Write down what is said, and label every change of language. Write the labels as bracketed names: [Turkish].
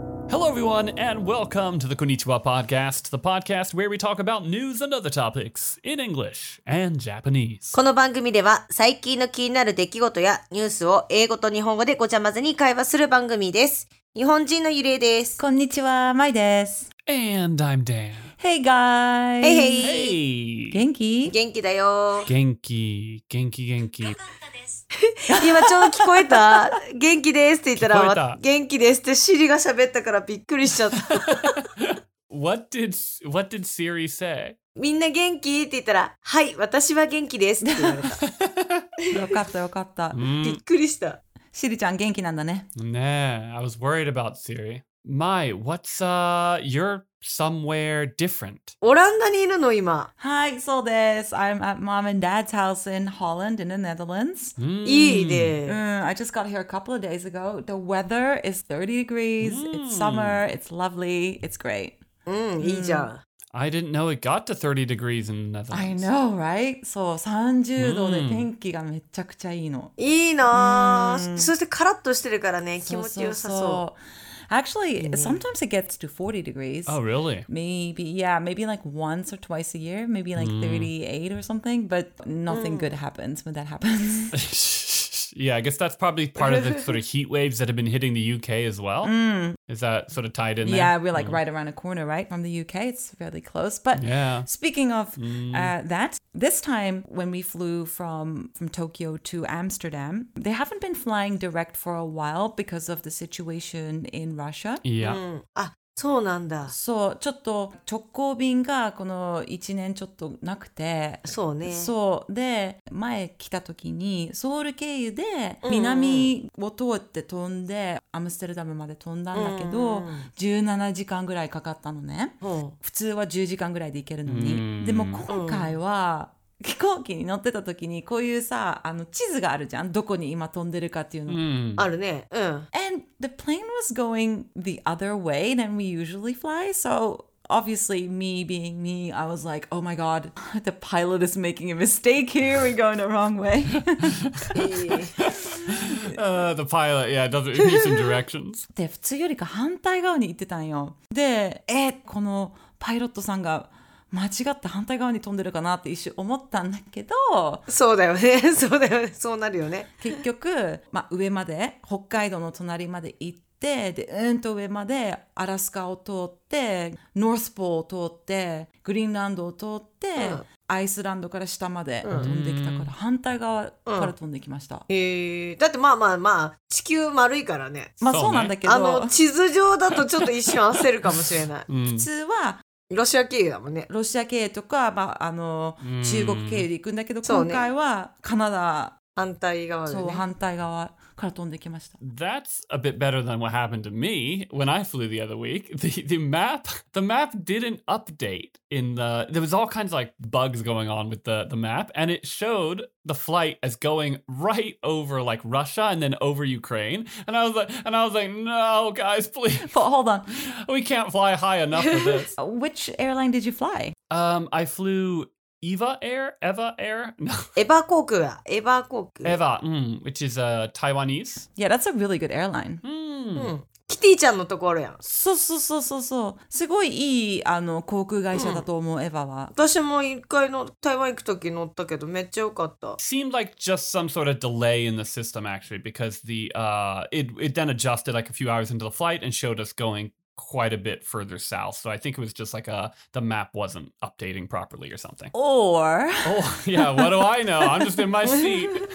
[English] Hello, everyone, and welcome to the Konnichiwa Podcast, the podcast where we talk about news and other topics in English and Japanese. [Japanese] この番組では最近の気になる出来事やニュースを英語と日本語でごちゃ混ぜに会話する番組です。日本人のゆれいです。こんにちは、まいです。 [English] And I'm Dan. Hey, guys! Hey, hey! Hey! [Japanese] 元気？元気だよ。元気、元気、元気。よかったです。今ちょうど聞こえた？元気ですって言ったら、聞こえた。元気ですってシリが喋ったからびっくりしちゃった。 [English] What did Siri say? [Japanese] みんな元気って言ったら、はい、私は元気ですって言われた。よかった、よかった。びっくりした。シリちゃん元気なんだね。 [English] ねえ、I was worried about Siri. Mai, what's, you're somewhere different. [Japanese] オランダにいるの今。はい、そうです。 [English] I'm at mom and dad's house in Holland, in the Netherlands.、 [Japanese] Mm. いいね。 [English] うん、I just got here a couple of days ago. The weather is 30 degrees.、Mm. It's summer. It's lovely. It's great. [Japanese] うん、いいじゃん。Mm. [English] I didn't know it got to 30 degrees in the Netherlands. I know, right? [Japanese] そう、30度で天気がめちゃくちゃいいの。いいな。そしてカラッとしてるからね、気持ちよさそう。 [English] Actually, sometimes it gets to 40 degrees. Oh, really? Maybe, yeah, maybe like once or twice a year, maybe like 38 or something, but nothing good happens when that happens. Yeah, I guess that's probably part of the sort of heat waves that have been hitting the UK as well. Mm. Is that sort of tied in there? Yeah, we're like right around a corner, right, from the UK. It's fairly close. But speaking of that, this time when we flew from Tokyo to Amsterdam, they haven't been flying direct for a while because of the situation in Russia. Yeah. [Japanese] Mm. Ah. そうなんだ。そう、ちょっと直行便がこの1年ちょっとなくて。そうね。そう。で、前来た時にソウル経由で南を通って飛んで、アムステルダムまで飛んだんだけど、17時間ぐらいかかったのね。普通は10時間ぐらいで行けるのに。でも今回は、飛行機に乗ってた時にこういうさあの地図があるじゃんどこに今飛んでるかっていうの、 mm. あるねうん [English] And the plane was going the other way than we usually fly so obviously me being me I was like oh my god the pilot is making a mistake here we're going the wrong way the pilot yeah doesn't need some directions [Japanese] で普通よりか反対側に行ってたんよでこのパイロットさんが間違って反対側に飛んでるかなって一瞬思ったんだけどそうだよねそうだよねそうなるよね結局、まあ、上まで北海道の隣まで行ってでうんと上までアラスカを通ってノースポーを通ってグリーンランドを通って、うん、アイスランドから下まで飛んできたから、うん、反対側から飛んできました、うんだってまあまあまあ地球丸いからねまあそうなんだけど、ね、あの地図上だとちょっと一瞬焦るかもしれない、うん、普通はロシア経由だもんね。ロシア経由とか、まあ、あの、中国経由で行くんだけど、今回はカナダ。反対側でね。そう、反対側から飛んできました。 [English] That's a bit better than what happened to me when I flew the other week. The map didn't update in the... There was all kinds of like bugs going on with the map, and it showed... The flight is going right over like Russia and then over Ukraine. And I was like, no, guys, please. But hold on. We can't fly high enough for this. Which airline did you fly? I flew Eva Air? [Japanese] No. Eva航空. [English] Eva, which is Taiwanese. Yeah, that's a really good airline. [Japanese] キティちゃんのところやん。そうそうそうそうそう。すごいいいあの航空会社だと思う、うん、エヴァは。私も一回の台湾行くとき乗ったけどめっちゃ良かった。 [English] Seemed like just some sort of delay in the system actually because the it then adjusted like a few hours into the flight and showed us going. Quite a bit further south, so I think it was just like the map wasn't updating properly or something. Or, what do I know? I'm just in my seat.